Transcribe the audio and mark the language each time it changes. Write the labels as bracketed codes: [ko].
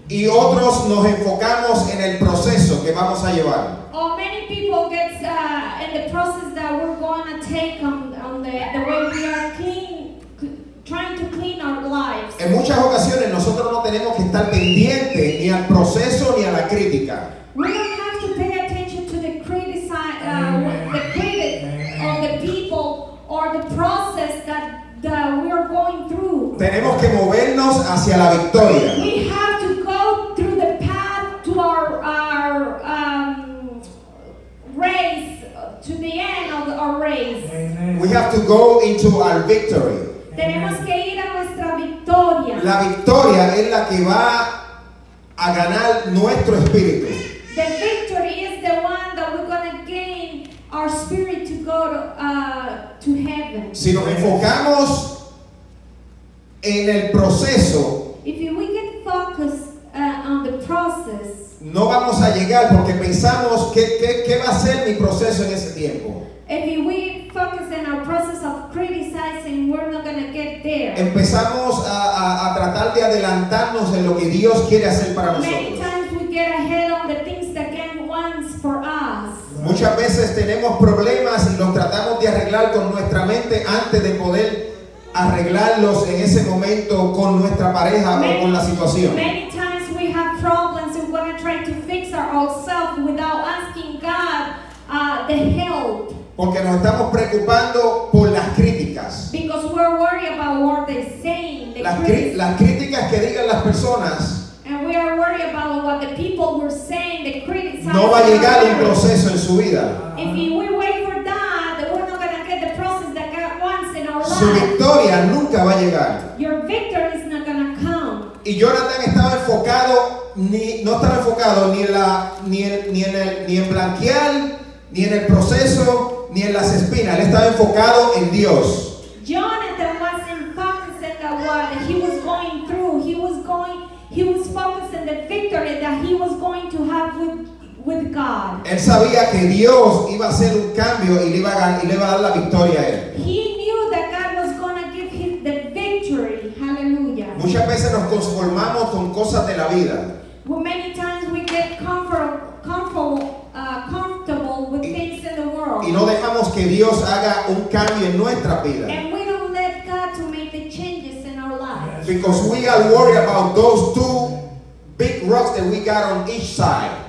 [es] Y otros nos enfocamos en el proceso que vamos a llevar. [en] Or many people get in the process that we're going to take on the way we are trying to clean our lives. [es] En muchas ocasiones nosotros no tenemos que estar pendiente ni al proceso ni a la crítica. [en] We don't have to pay attention to the criticism, the critic, or the people, or the process that the [es] Tenemos que movernos hacia la victoria. [en] We have to go through the path to our race, to the end of our race. Amen. We have to go into our victory. [es] Tenemos que ir a nuestra victoria. La victoria es la que va a ganar nuestro espíritu. [en] The victory is the one that we're going to gain our spirit to go to heaven. [es] Si nos enfocamos en el proceso, [en] if we get focused on the process, [es] no vamos a llegar porque pensamos qué va a ser mi proceso en ese tiempo. [en] If we focus in our process of criticizing, we're not going to get there. [es] Empezamos a tratar de adelantarnos en lo que Dios quiere hacer para [en] many [es] nosotros. [en] Many times we get ahead of the things that God wants for us. [es] Muchas veces tenemos problemas y los tratamos de arreglar con nuestra mente antes de poder arreglarlos en ese momento con nuestra pareja [en] many, [es] o con la situación. [en] Many times we have problems and we're going to try to fix ourselves without asking God the help. [es] Porque nos estamos preocupando por las críticas. [en] Because we're worried about what they say. [es] Las críticas que digan las personas. [en] And we are worried about what the people were saying, the critics. [es] No va a llegar un proceso en su vida. [en] If we wait for that, we're not going to get the process that God wants in our life. [es] Su victoria nunca va a llegar. [en] Your victory is not going to come. [es] Y Jonathan estaba enfocado ni en blanquear, ni en el proceso, ni en las espinas. Él estaba enfocado en Dios. [en] Jonathan was focused on what he was going through. He was focused on the victory that he was going to have with God. [es] Él sabía que Dios iba a hacer un cambio y le iba a dar la victoria a él. [en] He knew that God was going to give him the victory. Hallelujah. [es] Muchas veces nos conformamos con cosas de la vida. [en] Well, many times we get comfortable with things in the world. [es] Y no dejamos que Dios haga un cambio en nuestra vida. [en] And we don't let God to make the changes in our lives. Because we are worried about those two big rocks that we got on each side.